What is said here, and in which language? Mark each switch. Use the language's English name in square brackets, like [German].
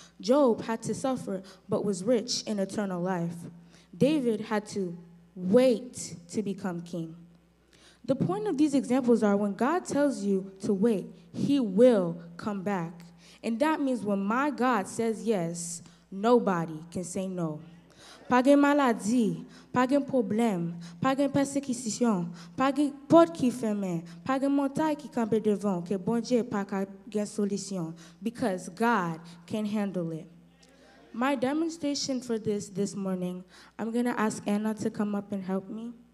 [English] Job had to suffer but was rich in eternal life. David had to wait to become king. The point of these examples are when God tells you to wait, he will come back. And that means when my God says yes, nobody can say no. [French] Pas de maladie, pas de problème, pas de persécution, pas de porte qui ferme, pas de montagne qui campe devant, que bon Dieu pas de solution. [English] Because God can handle it. My demonstration for this morning, I'm going to ask Anna to come up and help me.